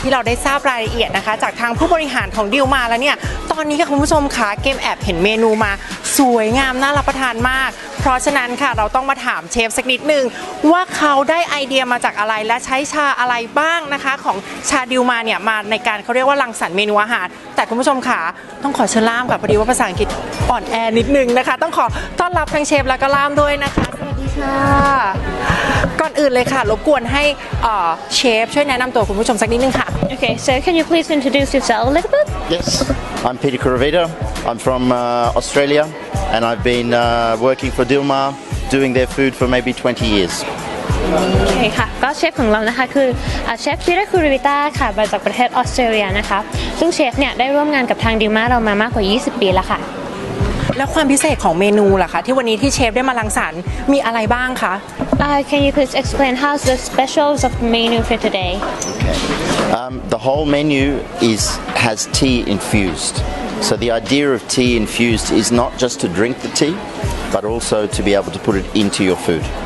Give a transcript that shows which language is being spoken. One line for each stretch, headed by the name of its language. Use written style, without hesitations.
Thai: ได้ทราบรายละเอียดนะคะจากทางผู้บริหารของดิลมาแล้วเนี่ยตอนนี้ค่ะคุณผู้ชมคะเกมแอบเห็นเมนูมาสวยงามน่ารับประทานมากเพราะฉะนั้นค่ะเราต้องมาถามเชฟสักนิดนึงว่าเขาได้ไอเดียมาจากอะไรและใช้ชาอะไรบ้างนะคะของชาดิลมาเนี่ยมาในการเขาเรียกว่ารังสรรค์เมนูอาหารแต่คุณผู้ชมคะต้องขอเชิญล่ามค่ะพอดีว่าภาษาอังกฤษอ่อนแอนิดนึงนะคะต้องขอต้อนรับทั้งเชฟแล้วก็ล่ามด้วยนะคะ สวัสดีค่ะ ก่อนอื่นเลยค่ะรบกวนให้เชฟช่วยแนะนำตัวคุณผู้ชมสักนิดนึงค่ะ
English: โอเค so can you please introduce yourself a little bit yes I'm Peter Kuravita I'm from Australia and I've been working for Dilma doing their food for maybe 20 years
Thai: โอเคค่ะก็เชฟของเรานะคะคือเชฟPeter Kuravitaค่ะมาจากประเทศออสเตรเลียนะคะซึ่งเชฟเนี่ยได้ร่วมงานกับทางDilmaเรามามากกว่า20ปีแล้วค่ะ แล้วความพิเศษของเมนูล่ะคะที่วันนี้ที่เชฟได้มารังสรรค์มีอะไรบ้างคะ
English: Can you please explain how the specials of the menu for today? Okay. The whole menu has tea infused. So the idea of tea infused is not just to drink the tea, but also to be able to put it into your food.